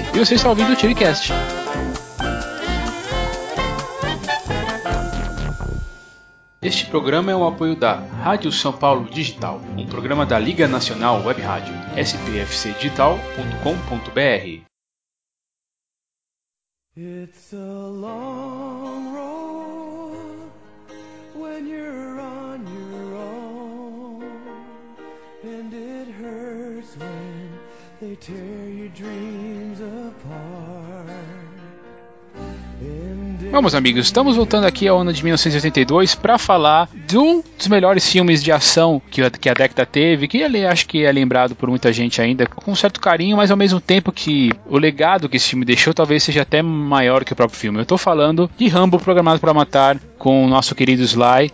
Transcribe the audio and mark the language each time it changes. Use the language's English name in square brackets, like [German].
[Portuguese] E vocês estão ouvindo o TVCast. Este programa é um apoio da Rádio São Paulo Digital, um programa da Liga Nacional Web Rádio, spfcdigital.com.br. [English] It's a long road when you're on your own, and it hurts when they tear your dreams apart. [Portuguese] Vamos, amigos, estamos voltando aqui ao ano de 1982 para falar de um dos melhores filmes de ação que a década teve, que ele acho que é lembrado por muita gente ainda com um certo carinho, mas ao mesmo tempo que o legado que esse filme deixou talvez seja até maior que o próprio filme. Eu estou falando de Rambo Programado para Matar, com o nosso querido Sly.